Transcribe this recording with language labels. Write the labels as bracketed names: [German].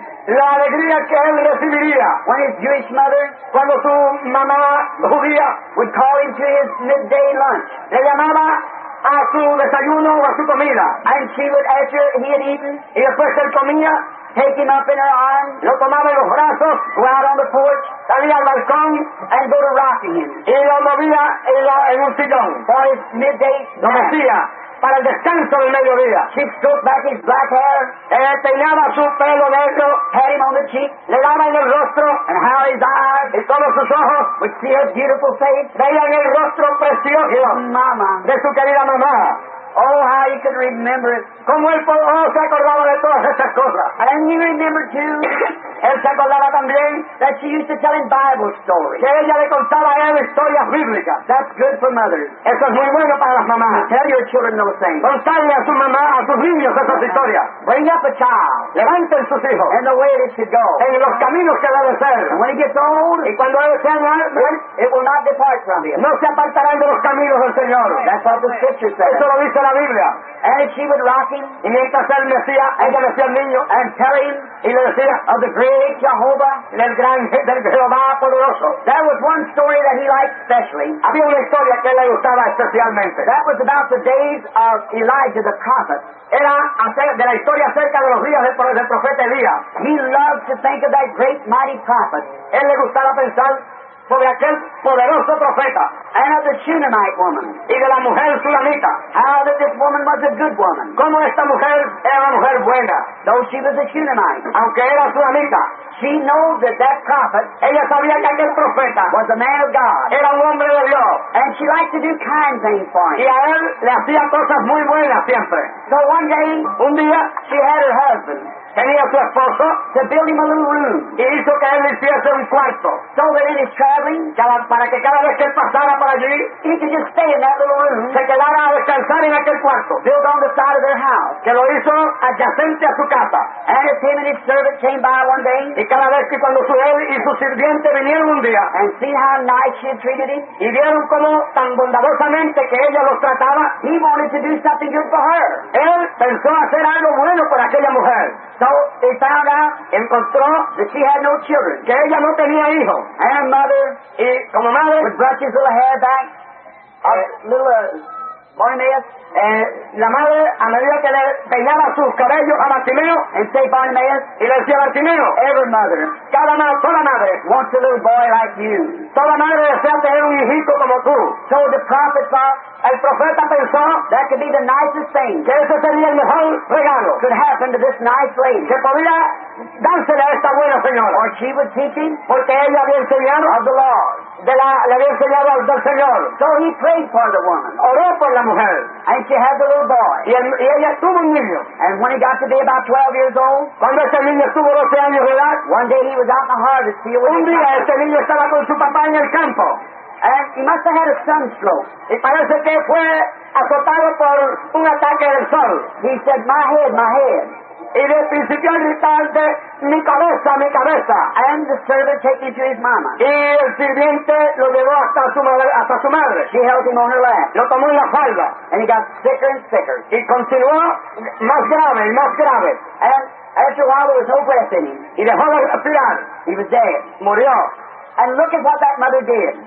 [Spanish] La alegría que él recibiría. [English] When his Jewish mother, [Spanish] cuando su mamá judía, [English] would call him to his midday lunch. [Spanish] Le llamaba a su desayuno o a su comida. [English] And she would, after he had eaten, [Spanish] y después él comía, [English] take him up in her arms, [Spanish] lo tomaba en los brazos, [English] go out on the porch, [Spanish] salía al balcón, [English] and go to rocking him. [Spanish] Y lo movía en un sillón. [English] For his midday nap. [Spanish] Para el descanso del mediodía. [English] She stroked back his black hair. [Spanish] Peinaba su pelo negro. [English] Had him on the cheek. [Spanish] Le daba en el rostro. [English] And how his eyes. [Spanish] Y todos sus ojos. [English] Would see her beautiful face. [Spanish] Veían el rostro precioso. [English] Mama. [Spanish] De su querida mamá. [English] Oh, how he could remember it. [Spanish] Como él se acordaba de todas esas cosas. [English] And he remembered too. [Spanish] Él se acordaba también. [English] That she used to tell him Bible stories. [Spanish] Que ella le contaba a él historias bíblicas. [English] That's good for mothers. [Spanish] Eso es muy bueno para las mamás. [English] And tell your children those things. [Spanish] Contarle a su mamá, a sus niños esas historias. [English] Bring up a child. [Spanish] Levanten sus hijos. [English] And the way it should go. [Spanish] En los caminos que debe ser. [English] And when he gets old. [Spanish] Y cuando él sea mayor. [English] It will not depart from him. [Spanish] No se apartarán de los caminos del Señor. [English] That's what the scripture says. [Spanish] Eso lo dice la Biblia. [English] And she would rock him. [Spanish] Y mientras él decía, ella decía al niño. [English] And tell him. [Spanish] Y le decía, [English] of the great Jehovah. [Spanish] Del gran Jehová poderoso. [English] There was one story that he liked specially. [Spanish] Había una historia que le gustaba especialmente. [English] That was about the days of Elijah the prophet. [Spanish] Era de la historia acerca de los días del profeta Elías. [English] He loved to think of that great mighty prophet. [Spanish] Él le gustaba pensar sobre aquel poderoso profeta. [English] And of the Shunammite woman. [Spanish] Y de la mujer Shunamita. [English] How that this woman was a good woman. [Spanish] Como esta mujer era una mujer buena. [English] Though she was a Shunammite. [Spanish] Aunque era Shunamita. [English] She knows that that prophet. [Spanish] Ella sabía que aquel profeta. [English] Was a man of God. [Spanish] Era un hombre de Dios. [English] And she liked to do kind things for him. [Spanish] Y a él le hacía cosas muy buenas siempre. [English] So one day. [Spanish] Un día. [English] She had her husband. [Spanish] Tenía su esposo. [English] To build him a little room. [Spanish] Y hizo que él hiciese un cuarto. [English] So that in his traveling. [Spanish] Para que cada vez que él pasara por allí. [English] He could just stay in that little room. [Spanish] Se quedara a descansar en aquel cuarto. [English] Built on the side of their house. [Spanish] Que lo hizo adyacente a su casa. [English] And if him and his servant came by one day. [Spanish] Y cada vez que cuando él y su sirviente vinieron un día. [English] And see how nice she treated him. [Spanish] Y vieron como tan bondadosamente que ella los trataba. [English] He wanted to do something good for her. [Spanish] Él pensó hacer algo bueno por aquella mujer. [English] So they found out, [Spanish] encontró, [English] that she had no children. [Spanish] Que ella no tenía hijos. [English] And her mother, [Spanish] y como madre, [English] would brush his little hair back, a little Bartimaeus. [Spanish] La madre, a medida que le peinaba sus cabellos a Bartimeo, [English] and say Bartimaeus, [Spanish] y le decía Bartimeo, [English] every mother, [Spanish] cada madre, toda madre, [English] wants a little boy like you. [Spanish] Toda madre desea tener un hijito como tú. [English] So the prophet thought, [Spanish] el profeta pensó, [English] that could be the nicest thing, [Spanish] que eso sería el mejor regalo, [English] could happen to this nice lady, [Spanish] que podría dársele a esta buena señora, [English] or she was teaching, [Spanish] porque ella había enseñado, [English] of the law, [Spanish] le había enseñado al del Señor. [English] So he prayed for the woman, [Spanish] oró por la mujer, [English] and she had the little boy, [Spanish] y ella tuvo un niño, [English] and when he got to be about 12 years old, [Spanish] cuando ese niño estuvo 12 años de edad, [English] one day he was out in the harvest field, [Spanish] un día ese niño estaba con su papá en el campo. [English] And he must have had a sunstroke. [Spanish] Y parece que fue azotado por un ataque del sol. [English] He said, my head, my head. [Spanish] Y de principio a gritar de mi cabeza, mi cabeza. [English] And the servant took him to his mama. [Spanish] Y el sirviente lo llevó hasta su madre. [English] She held him on her lap. [Spanish] Lo tomó en la falda. [English] And he got sicker and sicker. [Spanish] Y continuó más grave y más grave. [English] And after a while there was no breath in him. [Spanish] Y dejó de respirar. [English] He was dead. [Spanish] Murió. [English] And look at what that mother did.